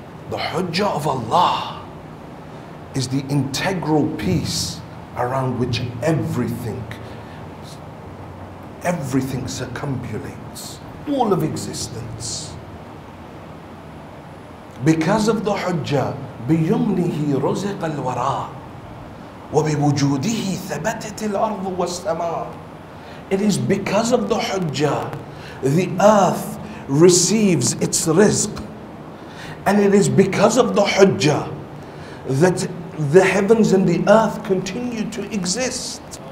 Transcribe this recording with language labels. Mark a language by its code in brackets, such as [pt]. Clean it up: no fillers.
[en] The Hujjah of Allah is the integral piece around which everything circumambulates, all of existence. Because of the Hujjah, [ar] بِيُمْنِهِ رُزِقَ الْوَرَاءِ وَبِوُجُودِهِ ثَبَتَتِ الْأَرْضُ وَالسَّمَاءُ. [en] It is because of the Hujjah, the earth receives its rizq. And it is because of the Hujjah that the heavens and the earth continue to exist.